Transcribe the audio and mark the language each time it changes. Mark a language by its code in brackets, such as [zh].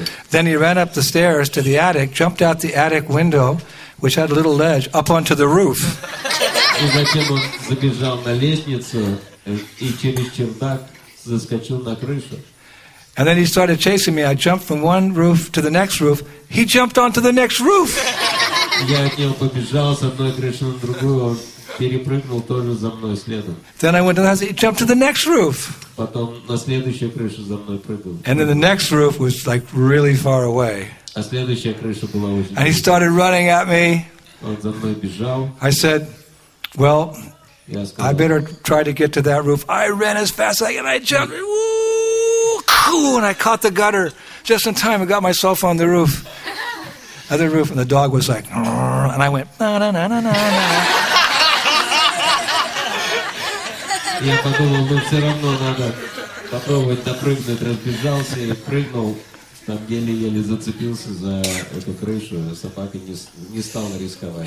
[en] Then he ran up the stairs to the attic, jumped out the attic window, which had a little ledge, up onto the roof. [ru] И затем он забежал на лестницу и через чердак заскочил на крышу. [en] And then he started chasing me. I jumped from one roof to the next roof. He jumped onto the next roof. [ru] Я от него побежал с одной крыши на другую. Он перепрыгнул тоже за мной следом. [en] Then I went and he jumped to the next roof. [ru] Потом на следующую крышу за мной прыгнул. [en] And then the next roof was like really far away. [ru] А следующая крыша была очень далеко. [en] And he started running at me. [ru] Он за мной бежал. [en] I said, well, I better try to get to that roof. I ran as fast as I could. I jumped. Woo! And I caught the gutter just in time. I got myself on the roof. Other roof. And the dog was like, and I went, na na na na na na. [ru] Я подумал, ну все равно надо попробовать допрыгнуть. Разбежался и прыгнул. Там еле-еле зацепился за эту крышу, собака не стала рисковать.